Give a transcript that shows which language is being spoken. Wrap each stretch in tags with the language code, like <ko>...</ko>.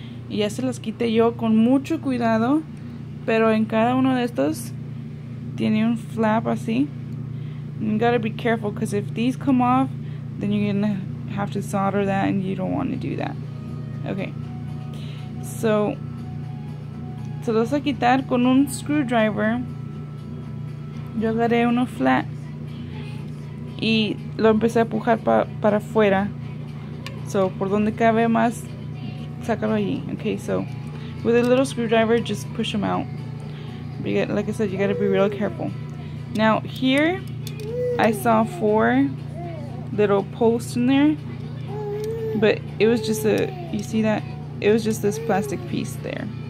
<es>Y ya se las quité yo con mucho cuidado, pero en cada uno de estos tiene un flap así.</es> <en>You gotta be careful, because if these come off, then you're gonna have to solder that, and you don't want to do that.</en> <es>Okay, so se los voy a quitar con un screwdriver. Yo agarré uno flat y lo empecé a empujar para afuera. So por donde cabe más, sácalo allí.</es> <en>Okay, so with a little screwdriver, just push them out. Like I said, you gotta be real careful. Now here, I saw four little posts in there. But it was just you see that? It was just this plastic piece there.</en>